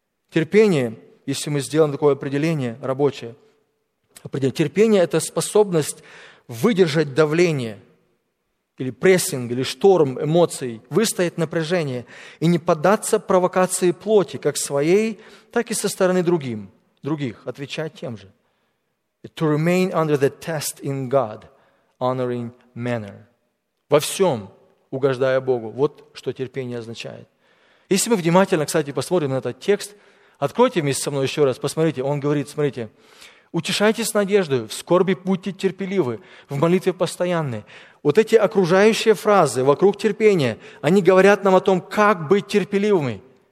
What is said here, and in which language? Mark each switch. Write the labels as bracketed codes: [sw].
[ru] Терпение, если мы сделаем такое определение рабочее, определение, терпение – это способность выдержать давление или прессинг, или шторм эмоций, выстоять напряжение и не поддаться провокации плоти, как своей, так и со стороны других, отвечать тем же. [en] To remain under the test in God, honoring manner. [ru] Во всем угождая Богу. Вот что терпение означает. Если мы внимательно, кстати, посмотрим на этот текст, откройте вместе со мной еще раз, посмотрите. Он говорит, смотрите. Утешайтесь надеждой, в скорби будьте терпеливы, в молитве постоянны. Вот эти окружающие фразы вокруг терпения, они говорят нам о том, как быть терпеливыми.